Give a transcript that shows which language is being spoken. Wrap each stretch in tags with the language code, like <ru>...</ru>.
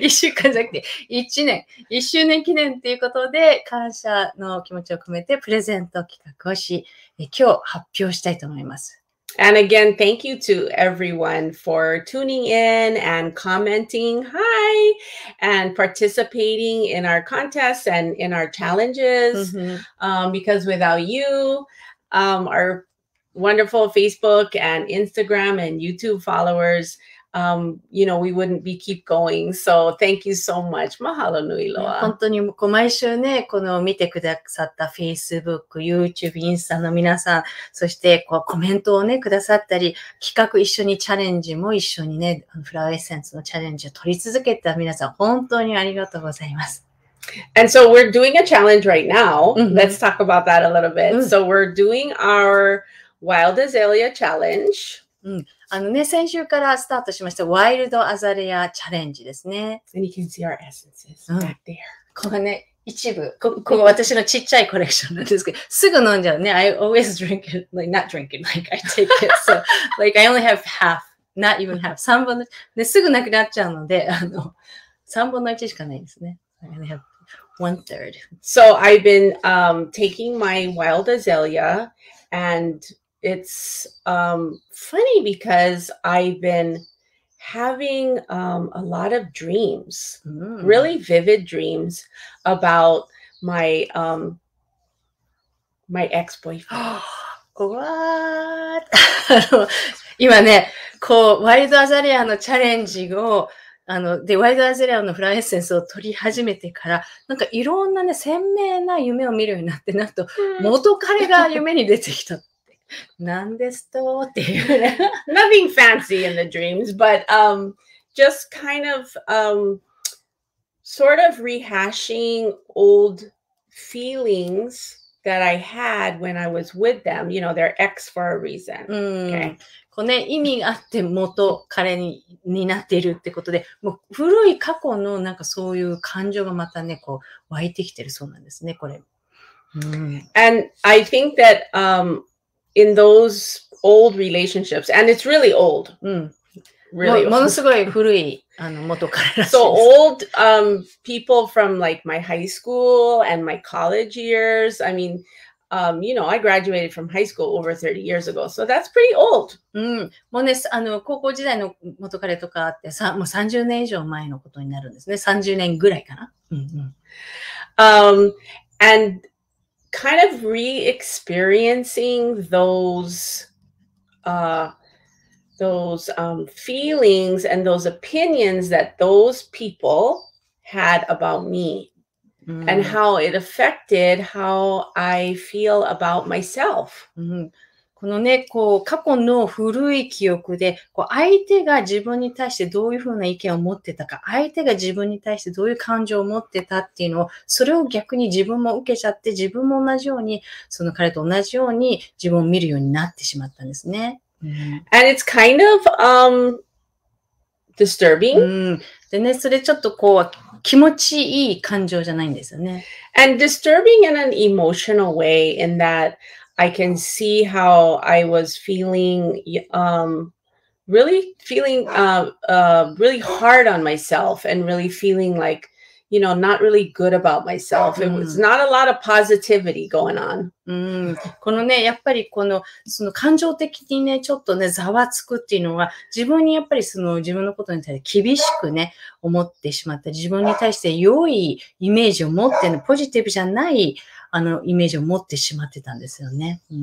<ja>1週間じゃなくて、1年、1周年記念ということで、感謝の気持ちを込めてプレゼント企画をし、今日発表したいと思います。</ja> <en>And again, thank you to everyone for tuning in and commenting. Hi, and participating in our contests and in our challenges. Mm-hmm. Because without you, our wonderful Facebook and Instagram and YouTube followers, you know, we wouldn't be keep going. So thank you so much. Mahalo nui loa.</en> <ja>本当にこう毎週ね、この見てくださった Facebook、YouTube、インスタの皆さん、そしてこうコメントをね、くださったり、企画一緒にチャレンジも一緒にね、フラワーエッセンスのチャレンジを取り続けた皆さん、本当にありがとうございます。</ja> <en>And so we're doing a challenge right now. Mm-hmm. Let's talk about that a little bit. Mm-hmm. So we're doing our Wild Azalea Challenge.</en> <ja>あのね、先週からスタートしました Wild Azalea Challenge ですね。</ja> <en>And you can see our essences back there.</en> <ja>ここね、一部。ここ私のちっちゃいコレクションなんですけど、すぐ飲んじゃうね。</ja> <en>I always drink it, like not drinking, like I take it. So, like I only have half, not even half.</en> <ja>3分の1。ね、すぐなくなっちゃうので、あの、3分の1しかないですね。</ja> <en>I only have one third. So I've been taking my wild azalea, and it's funny because I've been having a lot of dreams, really vivid dreams about my my ex-boyfriend. What?</en> <ja>今ね、こうワイルドアザレアのチャレンジをあのでワイドアゼリアのフラワーエッセンスを取り始めてからなんかいろんなね鮮明な夢を見るようになってなんと元彼が夢に出てきたってなんですとっていう、ね、</ja> <en>Nothing fancy in the dreams, but just kind of sort of rehashing old feelings that I had when I was with them. You know, they're ex for a reason. Okay.</en> <ja>こうね、意味があって元彼 になっているってことで、もう古い過去のなんかそういう感情がまたね、こう湧いてきてるそうなんですね、これ。うん、</ja> <en>and I think that in those old relationships, and it's really old.</en> <ja>うん。</ja> <en>Really old.</en> <ja>ものすごい古いあの元彼らしいです。</ja> <en>So old people from like my high school and my college years, I mean,you know, I graduated from high school over 30 years ago, so that's pretty old.</en> <ja>うん、もうね、あの高校時代の元彼とかってさ、もう30年以上前のことになるんですね。 30年ぐらいかな。うんうん。</ja> <en>And kind of re-experiencing those feelings and those opinions that those people had about me. And how it affected how I feel about myself.</en> <ja>このね、こう過去の古い記憶で、こう相手が自分に対してどういうふうな意見を持ってたか、相手が自分に対してどういう感情を持ってたっていうのを、それを逆に自分も受けちゃって、自分も同じように、その彼と同じように自分を見るようになってしまったんですね。</ja> <en>And it's kind of disturbing.</en> <ja>でね、それちょっとこう、気持ちいい感情じゃないんですよね。</ja> <en>And disturbing in an emotional way in that I can see how I was feeling, really hard on myself and really feeling like, you know, not really good about myself. It was not a lot of positivity going on.</en> <ja>このね、やっぱりこの、その感情的にね、ちょっとね、ざわつくっていうのは、自分にやっぱりその自分のことに対して厳しくね、思ってしまった。自分に対して良いイメージを持ってる、ポジティブじゃない、あの、イメージを持ってしまってたんですよね。</ja>